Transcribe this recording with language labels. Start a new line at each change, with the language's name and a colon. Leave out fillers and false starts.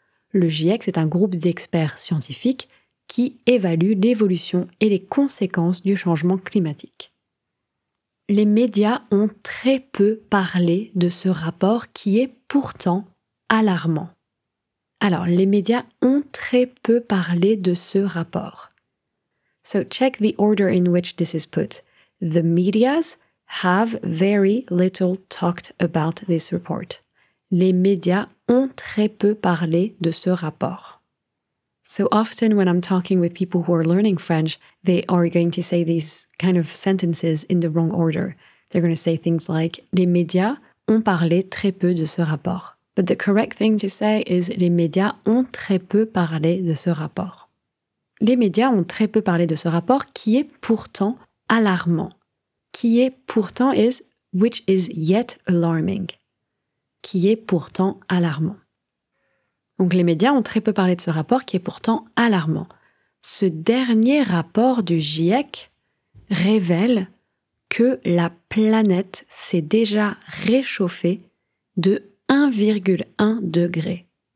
French: Le GIEC, c'est un groupe d'experts scientifiques qui évalue l'évolution et les conséquences du changement climatique. Les médias ont très peu parlé de ce rapport qui est pourtant alarmant. Alors, les médias ont très peu parlé de ce rapport.
English: So check the order in which this is put. The medias have very little talked about this report.
French: Les médias ont très peu parlé de ce rapport.
English: So often when I'm talking with people who are learning French, they are going to say these kind of sentences in the wrong order. They're going to say things like,
French: les médias ont parlé très peu de ce rapport.
English: But the correct thing to say is,
French: les médias ont très peu parlé de ce rapport. Les médias ont très peu parlé de ce rapport qui est pourtant alarmant. Qui est pourtant
English: is, which is yet alarming.
French: Qui est pourtant alarmant. Donc les médias ont très peu parlé de ce rapport qui est pourtant alarmant. Ce dernier rapport du GIEC révèle que la planète s'est déjà réchauffée de 1,1 degré.